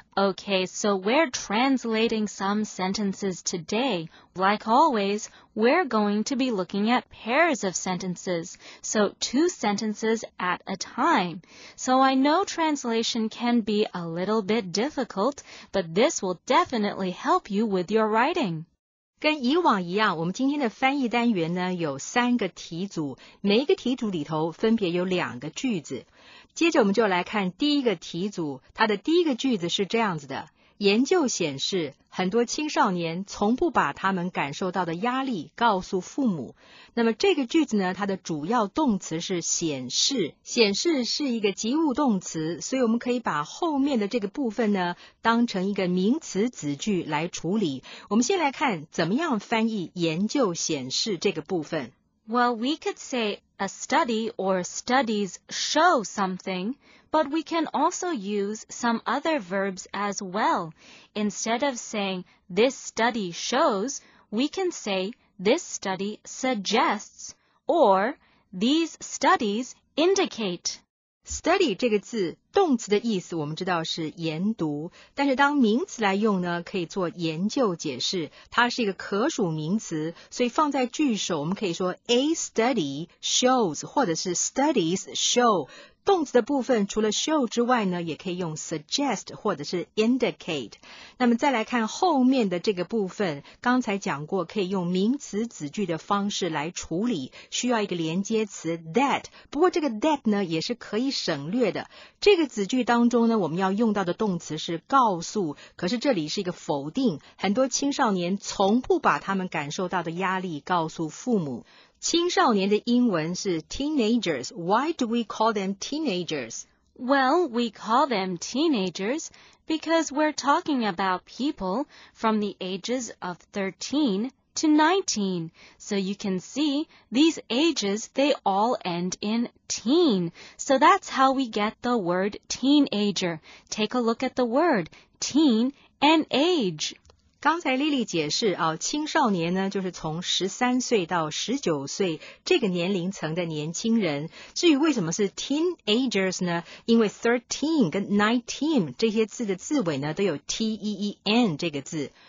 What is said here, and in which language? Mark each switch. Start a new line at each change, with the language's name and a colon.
English: Okay, so we're translating some sentences today. Like always, we're going to be looking at pairs of sentences, so two sentences at a time. So I know translation can be a little bit difficult, but this will definitely help you with your writing.
Chinese: 跟以往一样，我们今天的翻译单元呢，有三个题组，每一个题组里头分别有两个句子。接着我们就来看第一个题组，它的第一个句子是这样子的，研究显示，很多青少年从不把他们感受到的压力告诉父母。那么这个句子呢，它的主要动词是显示，显示是一个及物动词，所以我们可以把后面的这个部分呢，当成一个名词子句来处理。我们先来看怎么样翻译研究显示这个部分。
English: Well, we could say a study or studies show something, but we can also use some other verbs as well. Instead of saying this study shows, we can say this study suggests or these studies indicate.
Chinese: Study 这个字，动词的意思我们知道是研读，但是当名词来用呢，可以做研究解释，它是一个可数名词，所以放在句首，我们可以说
English: a study shows
Chinese: 或者是
English: studies show。
Chinese: 动词的部分除了 show 之外呢，也可以用 suggest 或者是 indicate。那么再来看后面的这个部分，刚才讲过可以用名词子句的方式来处理，需要一个连接词 that。不过这个 that 呢也是可以省略的。这个子句当中呢，我们要用到的动词是告诉，可是这里是一个否定，很多青少年从不把他们感受到的压力告诉父母。青少年的英文是 teenagers.
English: Why do we call them teenagers? Well, we call them teenagers because we're talking about people from the ages of 13 to 19. So you can see these ages, they all end in teen. So that's how we get the word teenager. Take a look at the word teen and age.
Chinese: 刚才莉莉解释啊，青少年呢，就是从13岁到19岁这个年龄层的年轻人。至于为什么是 teenagers 呢？因为 13 跟 19 这些字的字尾呢，都有 T-E-E-N 这个字。